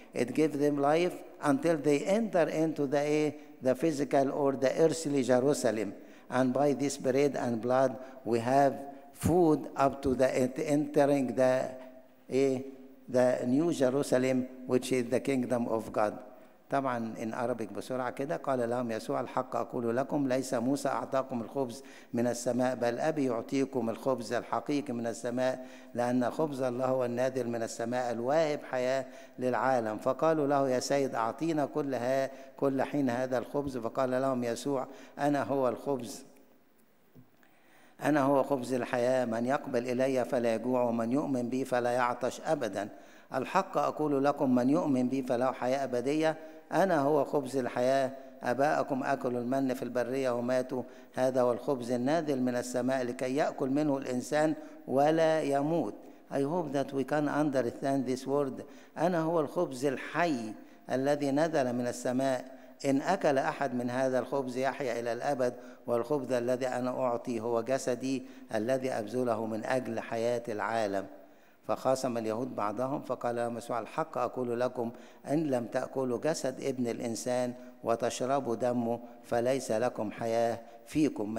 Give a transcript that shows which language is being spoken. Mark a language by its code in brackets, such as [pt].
[en] It gave them life until they enter into the physical or the earthly Jerusalem. And by this bread and blood, we have food up to the entering the new Jerusalem, which is the kingdom of God. [ar] طبعا [en] in Arabic [ar] بسرعة كده، قال لهم يسوع، الحق أقول لكم، ليس موسى أعطاكم الخبز من السماء، بل أبي يعطيكم الخبز الحقيقي من السماء، لأن خبز الله هو النازل من السماء الواهب حياة للعالم. فقالوا له، يا سيد أعطينا كل حين هذا الخبز. فقال لهم يسوع، أنا هو الخبز، أنا هو خبز الحياة، من يقبل إلي فلا يجوع، ومن يؤمن بي فلا يعطش أبدا. الحق أقول لكم، من يؤمن بي فله حياة أبدية. أنا هو خبز الحياة، آباءكم أكلوا المن في البرية وماتوا، هذا هو الخبز النازل من السماء لكي يأكل منه الإنسان ولا يموت. [en] I hope that we can understand this word. [ar] أنا هو الخبز الحي الذي نزل من السماء، إن أكل أحد من هذا الخبز يحيا إلى الأبد، والخبز الذي أنا أعطي هو جسدي الذي أبذله من أجل حياة العالم. فخاصم اليهود بعضهم فقال يا مسوع الحق أقول لكم إن لم تأكلوا جسد ابن الإنسان وتشربوا دمه فليس لكم حياة فيكم.